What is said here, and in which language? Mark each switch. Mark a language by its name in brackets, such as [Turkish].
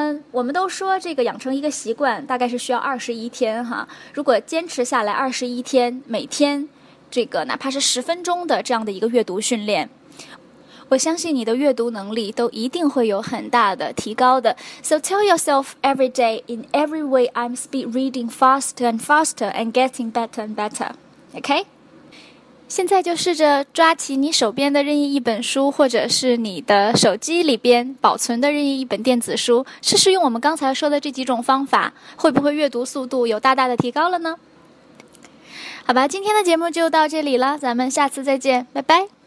[Chinese] 我们都说这个养成一个习惯大概是需要21天哈，如果坚持下来21天，每天这个哪怕是10分钟的这样的一个阅读训练，我相信你的阅读能力都一定会有很大的提高的。 [English] So tell yourself every day, in every way I'm speed reading faster and faster and getting better and better. OK? [Chinese] 现在就试着抓起你手边的任意一本书，或者是你的手机里边保存的任意一本电子书，试试用我们刚才说的这几种方法，会不会阅读速度有大大的提高了呢？好吧，今天的节目就到这里了，咱们下次再见，拜拜。